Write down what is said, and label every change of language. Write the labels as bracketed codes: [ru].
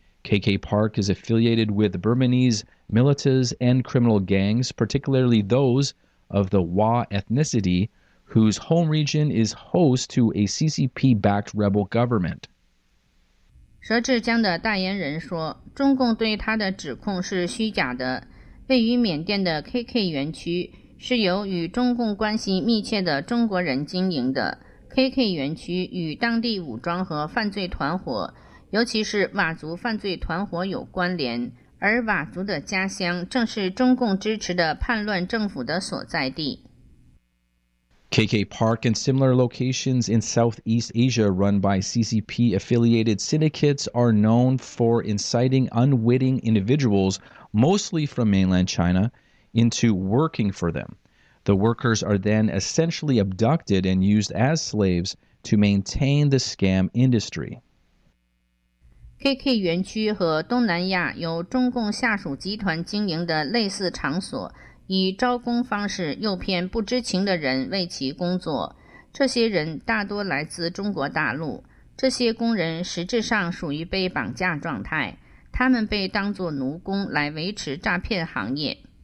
[en] KK Park is affiliated with Burmese militias and criminal gangs, particularly those of the Hwa ethnicity,whose home region is host to a CCP-backed rebel government. [zh] 佘志江的代言人说，中共对他的指控是虚假的。位于缅甸的 KK 园区是由与中共关系密切的中国人经营的。 KK 园区与当地武装和犯罪团伙，尤其是佤族犯罪团伙有关联，而佤族的家乡正是中共支持的叛乱政府的所在地。 [en] KK Park and similar locations in Southeast Asia run by CCP-affiliated syndicates are known for inciting unwitting individuals, mostly from mainland China, into working for them. The workers are then essentially abducted and used as slaves to maintain the scam industry. [zh] KK 园区和东南亚由中共下属集团经营的类似场所以招工方式诱骗不知情的人为其工作，这些人大多来自中国大陆，这些工人实质上属于被绑架状态，他们被当作奴工来维持诈骗行业。